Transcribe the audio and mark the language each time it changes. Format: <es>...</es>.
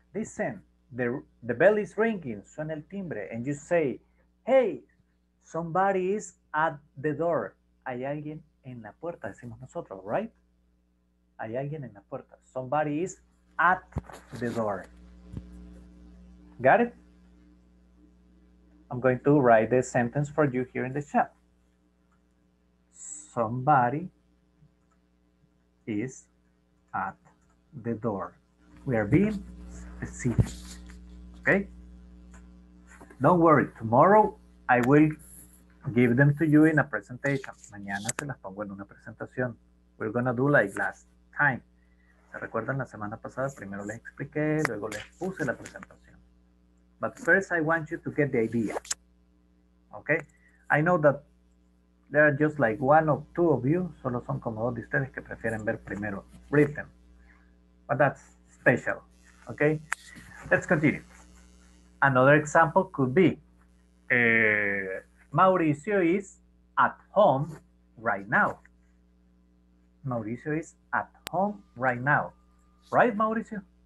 <en>Listen, the bell is ringing,</en> <es>suena el timbre,</es> <en>and you say, hey, somebody is at the door.</en> <es>Hay alguien en la puerta, decimos nosotros, right? Hay alguien en la puerta.</es> <en>Somebody is at the door. Got it? I'm going to write the sentence for you here in the chat. Somebody is at the door. We are being specific. Okay? Don't worry, tomorrow I will give them to you in a presentation.</en> <es>Mañana se las pongo en una presentación.</es> <en>We're gonna do like last time.</en> <es>¿Se recuerdan la semana pasada? Primero les expliqué, luego les puse la presentación.</es> <en>But first I want you to get the idea. Okay? I know that there are just like one or two of you.</en> <es>Solo son como dos de ustedes que prefieren ver primero written.</es> <en>But that's special. Okay? Let's continue. Another example could be, Mauricio is at home right now. Mauricio is at home right now. Right, Mauricio?</en>